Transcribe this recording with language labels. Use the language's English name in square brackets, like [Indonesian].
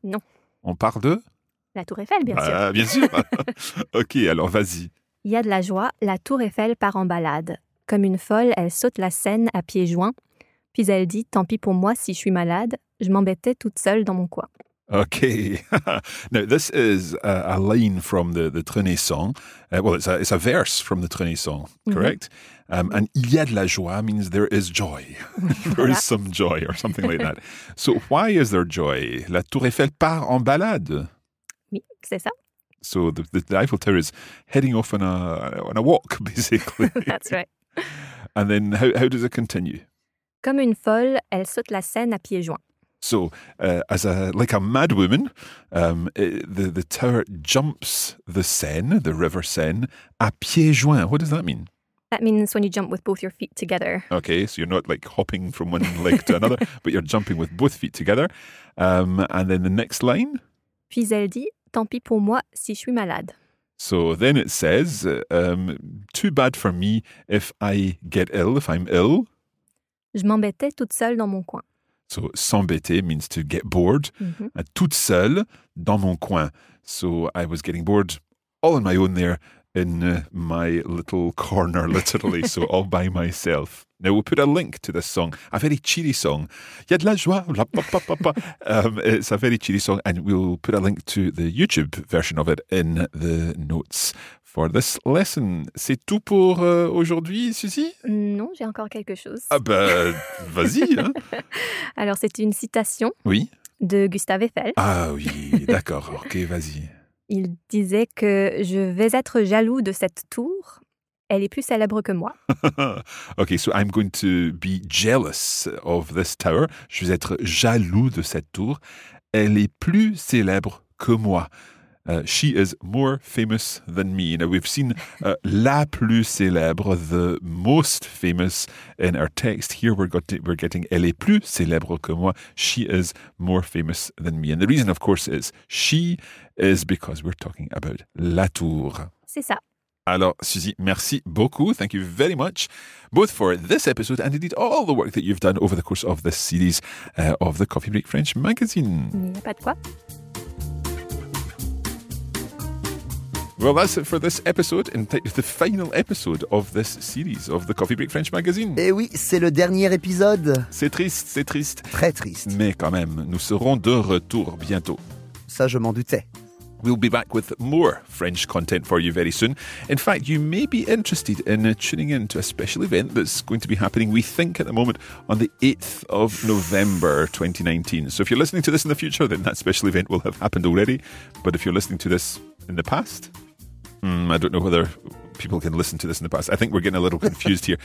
[French] Non. On parle de... La Tour Eiffel, bien sûr. Bien sûr. Ok, alors vas-y. Il y a de la joie, la Tour Eiffel part en balade. Comme une folle, elle saute la Seine à pieds joints. Puis elle dit, tant pis pour moi si je suis malade, je m'embêtais toute seule dans mon coin. Ok. [English] Now, this is a line from the Trenet song. Well, it's a verse from the Trenet song, correct? Mm-hmm. And [French] il y a de la joie [English] means there is joy. There is some joy or something like that. So why is there joy? [French] La Tour Eiffel part en balade. Oui, c'est ça. [English] So the Eiffel Tower is heading off on a walk, basically. That's right. And then how does it continue? [French] Comme une folle, elle saute la Seine à pieds joints. [English] So like a mad woman, the tower jumps the Seine, the River Seine, [French] à pieds joints. [English] What does that mean? That means when you jump with both your feet together. Okay, so you're not like hopping from one leg to another, but you're jumping with both feet together. And then the next line? [French] Puis elle dit, tant pis pour moi si je suis malade. [English] So then it says, too bad for me if I get ill, if I'm ill. [French] Je m'embêtais toute seule dans mon coin. [English] So s'embêter means to get bored. Mm-hmm. [French] Toute seule dans mon coin. [English] So I was getting bored all on my own there in my little corner, literally. So all by myself. Now we'll put a link to this song, a very cheery song. [French] Il y a de la joie, [English] la, pa, pa, pa, pa. It's a very cheery song, and we'll put a link to the YouTube version of it in the notes for this lesson. [French] C'est tout pour aujourd'hui, Suzy? Non, j'ai encore quelque chose. Ah ben, vas-y. Hein. Alors, c'est une citation de Gustave Eiffel. Ah oui, d'accord, ok, vas-y. Il disait que je vais être jaloux de cette tour. Elle est plus célèbre que moi. [English] Okay, so I'm going to be jealous of this tower. [French] Je vais être jaloux de cette tour. Elle est plus célèbre que moi. [English] She is more famous than me. Now, we've seen [French] la plus célèbre, [English] the most famous in our text. Here we're getting [French] elle est plus célèbre que moi. [English] She is more famous than me. And the reason, of course, is she is because we're talking about la tour. [French] C'est ça. Alors, Suzy, merci beaucoup. [English] Thank you very much, both for this episode and indeed all the work that you've done over the course of this series of the Coffee Break French magazine. [French] Pas de quoi. [English] Well, that's it for this episode, in fact, the final episode of this series of the Coffee Break French magazine. [French] Eh oui, c'est le dernier épisode. C'est triste, c'est triste. Très triste. Mais quand même, nous serons de retour bientôt. Ça, je m'en doutais. [English] We'll be back with more French content for you very soon. In fact, you may be interested in tuning in to a special event that's going to be happening, we think, at the moment, on the 8th of November 2019. So if you're listening to this in the future, then that special event will have happened already. But if you're listening to this in the past, I don't know whether people can listen to this in the past. I think we're getting a little confused here.